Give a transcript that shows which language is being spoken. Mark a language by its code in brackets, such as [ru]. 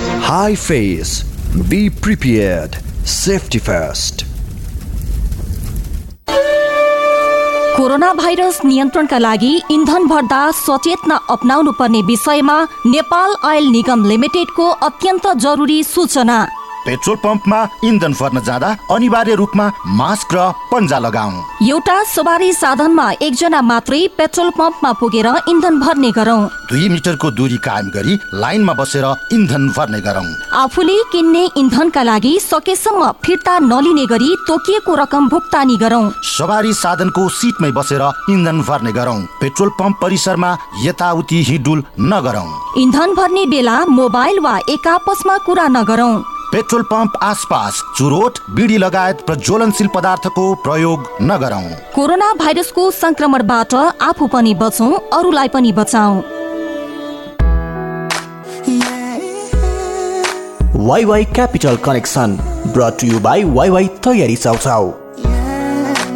[en] Hide face, be prepared, safety first. [ne] Corona virus नियन्त्रणका लागि इन्धन भर्दा सचेतना अप्नाउनु पर्ने विषयमा नेपाल ऑयल निगम लिमिटेडको अत्यन्त जरुरी सूचना। पेट्रोल पम्पमा इन्धन भर्न जाँदा अनिवार्य रूपमा मास्क र पन्जा लगाऊ। एउटा सवारी साधनमा एकजना मात्रै पेट्रोल पम्पमा पुगेर इन्धन भर्ने गरौ। 2 मिटरको दूरी कायम गरी लाइनमा बसेर इन्धन भर्ने गरौ। आफूले किन्ने इन्धनका लागि सकेसम्म फिर्ता नलिने गरी तोकिएको रकम भुक्तानी गरौ। सवारी साधनको सिटमै बसेर इन्धन भर्ने गरौ। पेट्रोल पम्प परिसरमा यताउति हिडुल नगरौ। इन्धन भर्ने बेला मोबाइल वा एक आपसमा कुरा नगरौ। पेट्रोल पम्प आसपास चुरोट, बिडी लगायत प्रज्वलनशील पदार्थको प्रयोग नगरौं। कोरोना भाइरसको संक्रमणबाट आफू पनि बचौं, अरूलाई पनि बचाऊ। [en] YY Capital Connection brought to you by YY तयारी साउसाउ।